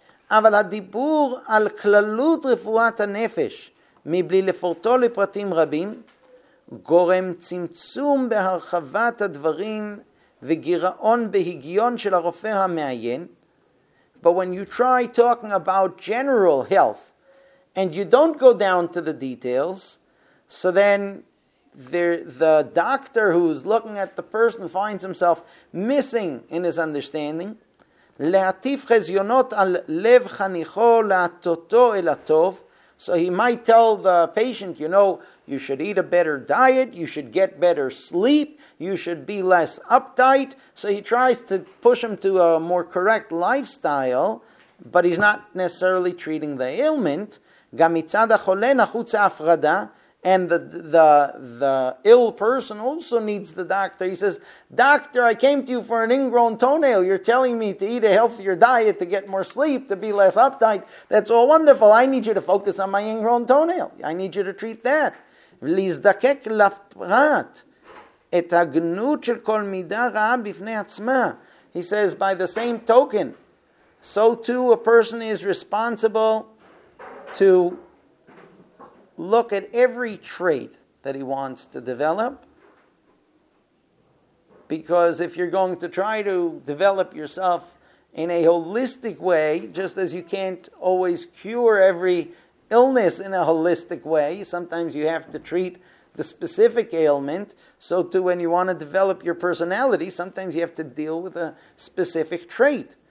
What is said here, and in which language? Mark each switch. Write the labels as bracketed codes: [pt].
[he] אבל הדיבור על כללות רפואת הנפש מבלי לפורטו לפרטים רבים גורם צמצום בהרחבת הדברים וגירעון בהיגיון של הרופא המעיין. [en] But when you try talking about general health and you don't go down to the details, so then the doctor who's looking at the person finds himself missing in his understanding. [he] להטיף חזיונות על לב חניכו להטוטו אל הטוב. [en] So he might tell the patient, you know, you should eat a better diet, you should get better sleep, you should be less uptight. So he tries to push him to a more correct lifestyle, but he's not necessarily treating the ailment. [he] גם מצד החולה נחוץ הפרדה. [en] And the ill person also needs the doctor. He says, doctor, I came to you for an ingrown toenail. You're telling me to eat a healthier diet, to get more sleep, to be less uptight. That's all wonderful. I need you to focus on my ingrown toenail. I need you to treat that. [he] להזדקק לפרט את הגנות של כל מידה רעה בפני עצמה. [en] He says, by the same token, so too a person is responsible to look at every trait that he wants to develop. Because if you're going to try to develop yourself in a holistic way, just as you can't always cure every illness in a holistic way, sometimes you have to treat the specific ailment, so too when you want to develop your personality, sometimes you have to deal with a specific trait.